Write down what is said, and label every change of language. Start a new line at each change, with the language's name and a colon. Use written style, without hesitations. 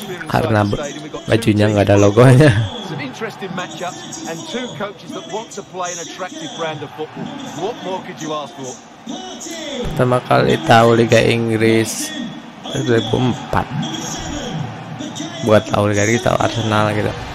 Indonesian: Karena bajunya nggak ada logonya.
English: Interesting matchup and two coaches that want to play an attractive brand of football. What more could you ask for?
Indonesian: Pertama kali tahu Liga Inggris 2004. Buat tahu Liga Inggris tahu Arsenal gitu.